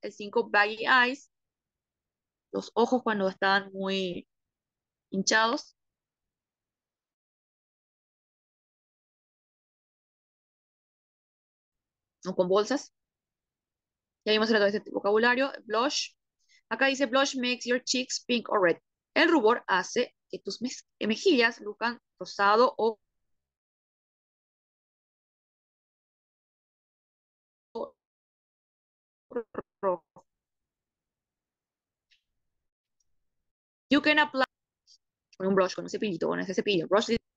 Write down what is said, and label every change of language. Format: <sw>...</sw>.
<es>El 5, baggy eyes, los ojos cuando están muy hinchados. O con bolsas. Ya vimos el otro de este vocabulario, blush. Acá dice</es> <en>blush makes your cheeks pink or red.</en> <es>El rubor hace que tus mejillas luzcan rosado o rojo.</es> <en>You can apply</en> <es>con un brush, con un cepillito, con ese cepillo. Brush.</es>